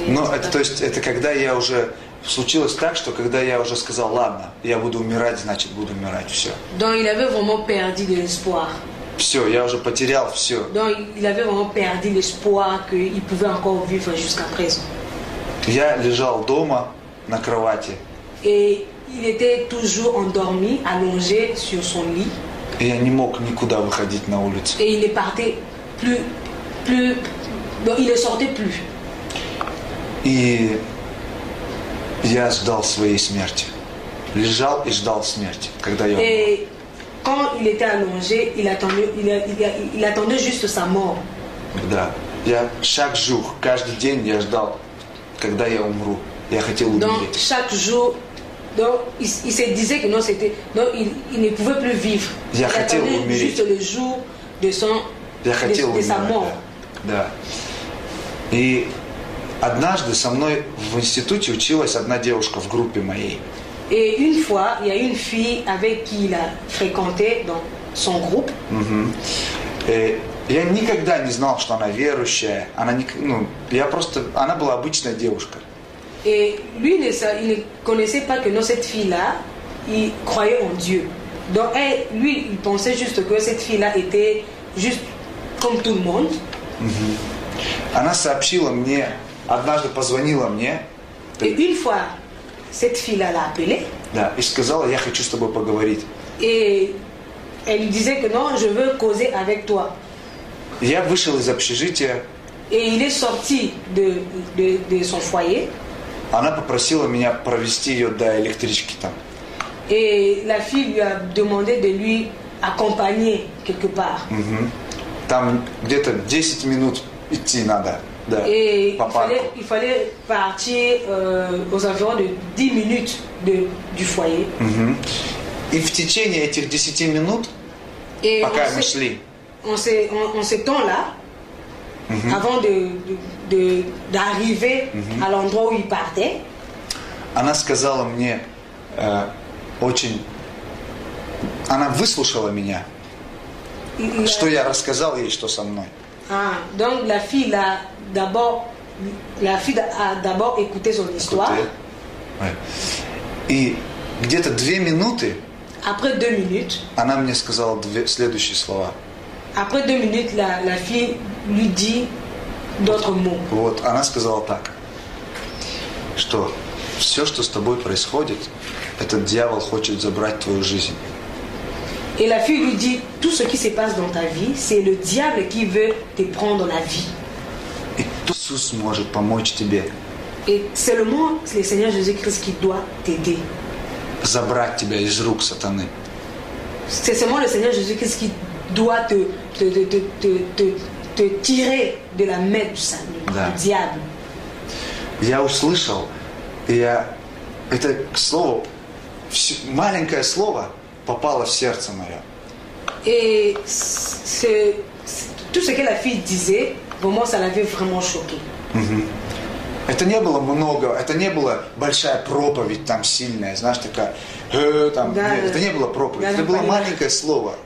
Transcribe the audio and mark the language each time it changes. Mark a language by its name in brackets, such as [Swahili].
[Russian] Но это то есть это когда я уже случилось так, что когда я уже сказал, ладно, я буду умирать, значит буду умирать, все. [French] Donc il avait vraiment perdu l'espoir. [Russian] Все, я уже потерял все. [French] Donc il avait vraiment perdu l'espoir qu'il pouvait encore vivre jusqu'à présent. [Russian] Я лежал дома на кровати. [French] Et il était toujours endormi, allongé sur son lit. [Russian] И я не мог никуда выходить на улицу. [French] Et il est parti plus, donc il ne sortait plus. [Russian] И я ждал своей смерти. Лежал и ждал смерти, когда я. [French] Et quand il était allongé, il attendait juste sa mort. [Russian] Да, я [French] chaque jour, [Russian] каждый день я ждал, когда я умру. Я хотел умереть. [French] Donc chaque jour. Donc il se disait que non c'était donc il ne pouvait plus vivre. [Russian] Я хотел умереть. [French] Juste le jour de son de sa mort. [Russian] Да. И однажды со мной в институте училась одна девушка в группе моей. [French] Et une fois il y a une fille avec qui il a fréquenté dans son groupe. [Russian] Я никогда не знал, что она верующая. Она не ну я просто она была обычная девушка. [French] Et lui, il ne connaissait pas que non, cette fille-là, il croyait en Dieu. Donc elle, lui, il pensait juste que cette fille-là était juste comme tout le monde. [Russian] Она сообщила мне, однажды позвонила мне. [French] Et une fois, cette fille-là l'a appelée. [Russian] Да, и сказала, я хочу с тобой поговорить. [French] Et elle disait que non, je veux causer avec toi. [Russian] Я вышел из общежития. [French] Et il est sorti de son foyer. [Russian] Она попросила меня провести ее до электрички там. И [French] la fille lui a demandé de lui accompagner quelque part. [Russian] Там где-то 10 минут идти надо. Да, [French] et [Russian] по парку. [French] Il fallait partir aux environs de 10 minutes du foyer. [Russian] И в течение этих 10 минут, [French] et [Russian] пока мы шли. [French] En ce temps-là. Avant d'arriver à l'endroit où il partait, [Russian] она сказала мне очень, она выслушала меня, что я рассказал ей, что со мной. [French] Donc la fille a d'abord écouté son histoire. [Russian] И где-то две минуты. [French] Après deux minutes. [Russian] Она мне сказала следующие слова. [French] Après deux minutes, la fille lui dit d'autres mots. [Russian] Вот, она сказала так, что все, что с тобой происходит, этот дьявол хочет забрать твою жизнь. [French] Et la fille lui dit, tout ce qui se passe dans ta vie, c'est le diable qui veut te prendre la vie. Et [Russian] Jésus может помочь тебе. [French] Et seulement le Seigneur Jésus-Christ qui doit t'aider. [Russian] Забрать тебя из рук сатаны. [French] C'est seulement le Seigneur Jésus-Christ qui doit te tirer de la main du diable. [Russian] Я услышал, я это слово, маленькое слово попало в сердце мое. [French] Et tout ce que la fille disait, vraiment, ça l'avait vraiment choqué. [Russian] Это не было много, это не была большая проповедь там сильная, знаешь, такая. Там, да, нет, это не было проповедь, это было маленькое слово,